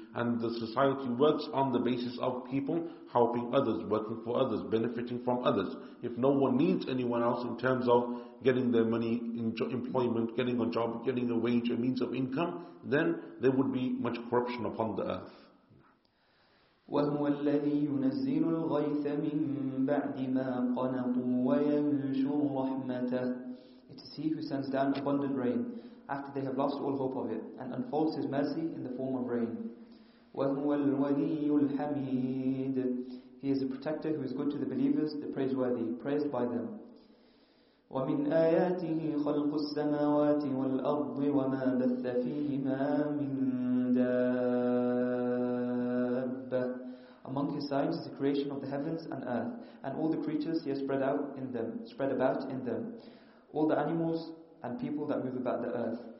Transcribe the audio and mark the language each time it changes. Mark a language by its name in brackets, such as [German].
[English] And the society works on the basis of people helping others, working for others, benefiting from others. If no one needs anyone else in terms of getting their money, employment, getting a job, getting a wage, a means of income, then there would be much corruption upon the earth. [Arabic] وهو الذي ينزل الغيث من بعد ما قنطوا وينشر رحمته. [English] It is he who sends down abundant rain after they have lost all hope of it and unfolds his mercy in the form of rain. [Arabic] وهو الولي الحميد. [English] He is a protector who is good to the believers, the praiseworthy, praised by them. [Arabic] ومن آياته خلق السماوات والأرض وما بث فيهما من دابة. [English] Among his signs is the creation of the heavens and earth, and all the creatures he has spread out in them, spread about in them, all the animals and people that move about the earth.